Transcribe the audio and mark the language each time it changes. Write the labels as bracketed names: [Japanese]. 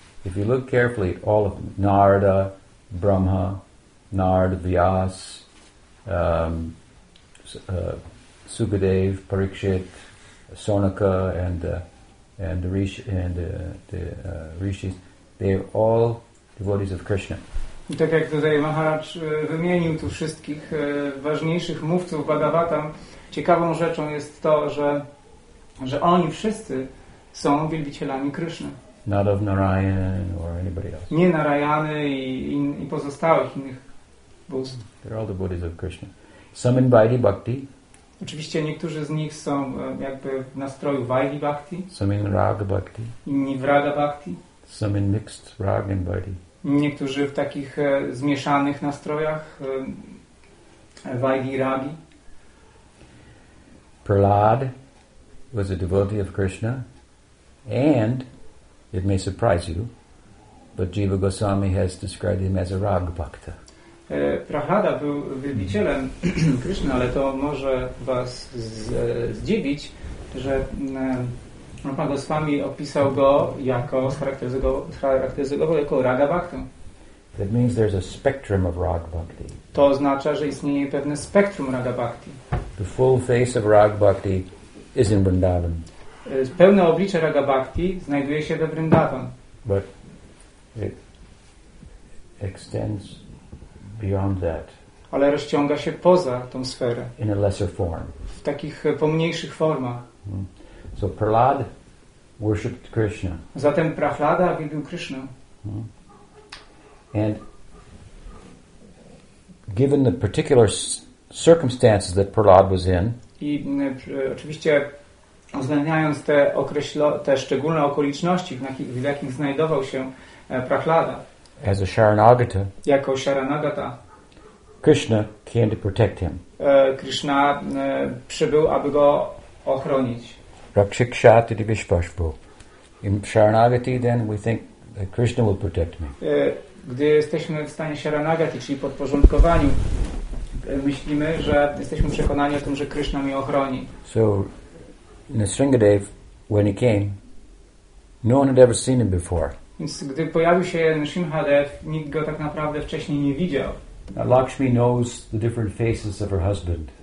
[English] If you look carefully at all of them, Narada, Brahma, Narada, Vyas, Sukadev, Parikshit, Sonaka, and the Rishis, they are all devotees of Krishna. [Polish] I tak jak tutaj Maharaj wymienił tu wszystkich ważniejszych mówców Bhagavatam, ciekawą rzeczą jest to, że oni wszyscy są wielbicielami Krishna. [English] Not of Narayan or anybody else. [Polish] Nie Narayany i pozostałych innych bóstw. [English] They're all the devotees of Krishna. Some in Vaidhi Bhakti. [Polish] Oczywiście niektórzy z nich są jakby w nastroju Vaidhi Bhakti. [English] Some in Raga Bhakti. [Polish] Inni w Raga Bhakti. [English] Some in mixed Raga and Vaidhi. [Polish] Niektórzy w takich zmieszanych nastrojach Vaidhi Ragi. [English] Prahlad was a devotee of Krishna, and it may surprise you, but Jiva Goswami has described him as a Rag Bhakta. [Polish] Prahlada był wielbicielem Krishna, ale to może was zdziwić, że Rupa Goswami opisał go jako charakteryzował jako Raga Bhakta. [English] That means there's a spectrum of Raga Bhakti. [Polish] To oznacza, że istnieje pewne spektrum Raga Bhakti. [English] The full face of Raga Bhakti is in Vrindavan. [Polish] Pełne oblicze Raga Bhakti znajduje się we Vrindavan. [English] But it extends beyond that. [Polish] Ale rozciąga się poza tą sferę. [English] In a lesser form. [Polish] W takich pomniejszych formach. [English] So Prahlad worshipped Krishna. [Polish] Zatem Prahlada wielbił Krishna. [English] And given the particular circumstances that Prahlad was in, [Polish] i oczywiście uwzględniając te, te szczególne okoliczności, w jakim znajdował się Prahlada. [English] As a Sharanagata, [Polish] jako Sharanagata, [English] Krishna came to protect him. [Polish] Krishna przybył, aby go ochronić. Rakshikshati divishpashbu. [English] In Sharanagati, then we think that Krishna will protect me. [Polish] Gdy jesteśmy w stanie Sharanagati, czyli podporządkowaniu, myślimy, że jesteśmy przekonani o tym, że Krishna mnie ochroni. [English] So, Nisringadev, when he came, no one had ever seen him before. [Polish] Więc gdy pojawił się Nrsimhadev, nikt go tak naprawdę wcześniej nie widział. [English] Now, Lakshmi knows the different faces of her husband.